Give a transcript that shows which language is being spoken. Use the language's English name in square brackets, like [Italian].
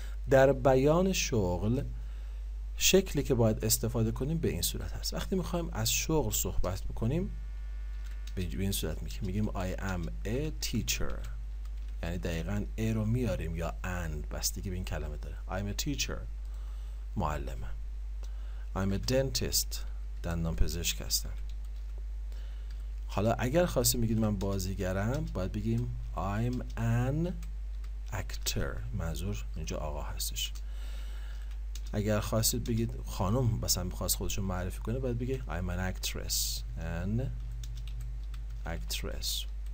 [Persian] در بیان شغل شکلی که باید استفاده کنیم به این صورت هست. وقتی میخوایم از شغل صحبت بکنیم به این صورت میگیم، میگیم [English] I am a teacher، [Persian] یعنی دقیقاً a رو میاریم یا an، بستگی به این کلمه داره. [English] I'm a teacher، [Persian] معلمه. [English] I'm a dentist، [Persian] دندان پزشک هستم. حالا اگر خواستی میگید من بازیگرم باید بگیم [English] I'm an actor، [Persian] منظور اینجا آقا هستش. اگر خواستید بگید خانم مثلا میخواست خودشو معرفی کنه باید بگید [English] I'm an actress، an actress.